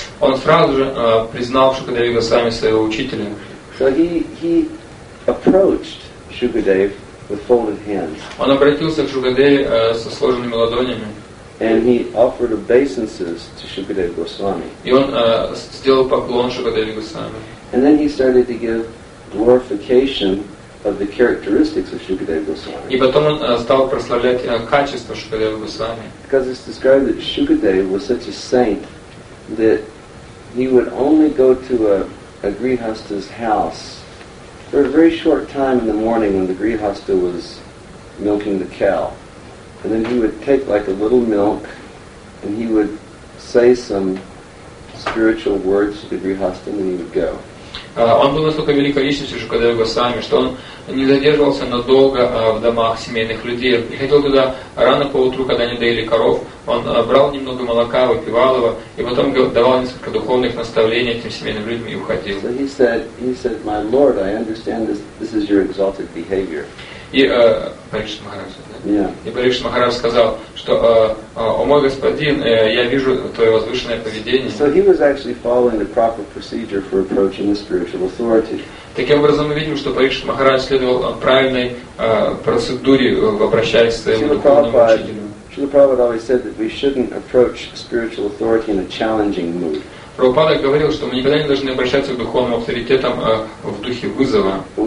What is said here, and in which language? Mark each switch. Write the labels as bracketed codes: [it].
[ru] Он сразу же признал Шукадеву Госвами своего учителя. [en] So he approached Shukadev with folded hands. [ru] Он обратился к Шукадеве со сложенными ладонями. [en] And he offered obeisances to Shukadeva Goswami. [ru] И он сделал поклон Шукадеве Госвами. [en] And then he started to give glorification of the characteristics of Shukadeva Goswami. [ru] И потом он стал прославлять качества Шукадевы Госвами. [en] Because it's described that Shukadev was such a saint that he would only go to a grihastha's house for a very short time in the morning when the grihastha was milking the cow. And then he would take like a little milk and he would say some spiritual words to the grihastha and then he would go. [ru] Он был настолько великой личностью, Шукадева Госвами, что он не задерживался надолго в домах семейных людей. Он приходил туда рано поутру, когда они доили коров. Он брал немного молока, выпивал его, и потом давал несколько духовных наставлений этим семейным людям и уходил. [en] So he said, my lord, I understand this is your exalted behavior. [ru] И Парикшит Махарадж сказал, что о мой господин, я вижу твое возвышенное поведение. [en] So he was actually following the proper procedure for approaching the spiritual authority. [ru] Таким образом, мы видим, что Парикшит Махарадж следовал правильной процедуре, обращаясь к своему духовному учителю. [en] Шрила Прабхупада always said that we shouldn't approach spiritual authority in a challenging mood. [ru] Прабхупада говорил, что мы никогда не должны обращаться к духовным авторитетам в духе вызова,